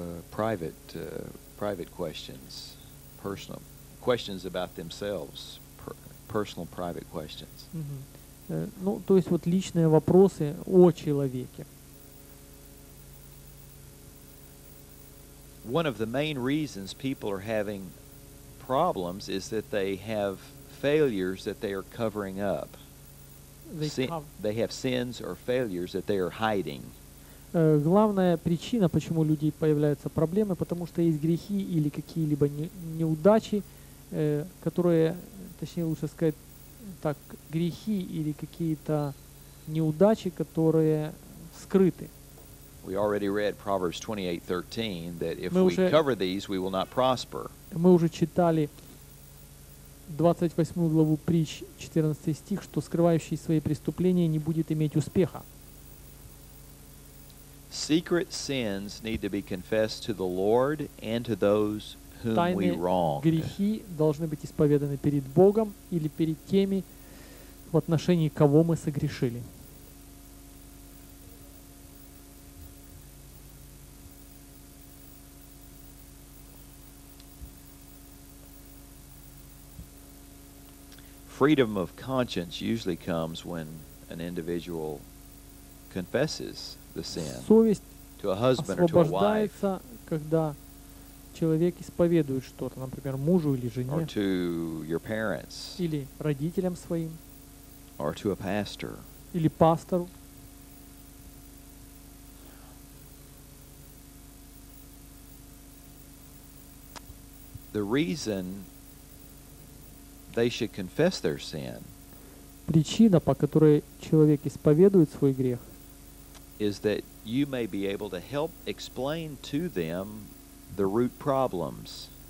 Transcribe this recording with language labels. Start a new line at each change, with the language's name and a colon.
English: Private questions, personal questions about themselves, personal private questions.
Russian: Ну, то есть вот личные вопросы о человеке.
English: One of the main reasons people are having problems is that they have failures that they are covering up. They have sins or failures that they are hiding.
Russian: Главная причина, почему у людей появляются проблемы, потому что есть грехи или какие-либо неудачи, которые, точнее лучше сказать так, грехи или какие-то неудачи, которые скрыты.
English: We already read Proverbs 28:13 that if we cover these, we will not prosper.
Russian: Мы уже читали 28 главу притч, 14 стих, что скрывающий свои преступления не будет иметь успеха.
English: Secret sins need to be confessed to the Lord and to those whom
Russian: Тайные
English: we wronged.
Russian: Грехи должны быть исповеданы перед Богом или перед теми, в отношении кого мы согрешили.
English: Freedom of conscience usually comes when an individual confesses the sin to a husband or to a wife.
Russian: Совесть освобождается, когда человек исповедует что-то, например, мужу или жене,
English: or to your parents,
Russian: или родителям своим,
English: or to a pastor,
Russian: или пастору.
English: The reason they should confess their sin.
Russian: Причина, по которой человек исповедует свой грех,
English: is that you may be able to help explain to them the root problems.